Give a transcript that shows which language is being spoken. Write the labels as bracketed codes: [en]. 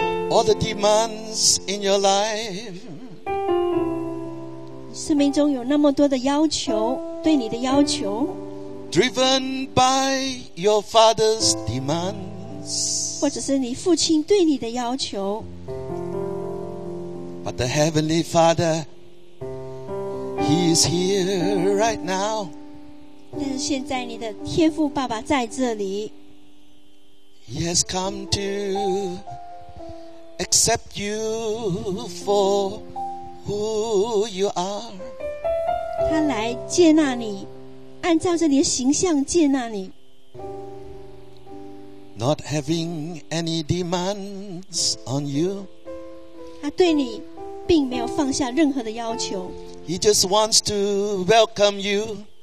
[en] All the demands in your life. [zh] 生命中有那么多的要求，对你的要求。 [en] Driven by your father's demands. [zh] 或者是你父亲对你的要求。 [en] But the Heavenly Father, He is here right now. [zh] 但是现在你的天父爸爸在这里。 [en] He has come to accept you for who you are. [zh] 他来接纳你，按照着你的形象接纳你。 [en] Not having any demands on you. [zh] 他对你并没有放下任何的要求。 [en] He just wants to welcome you.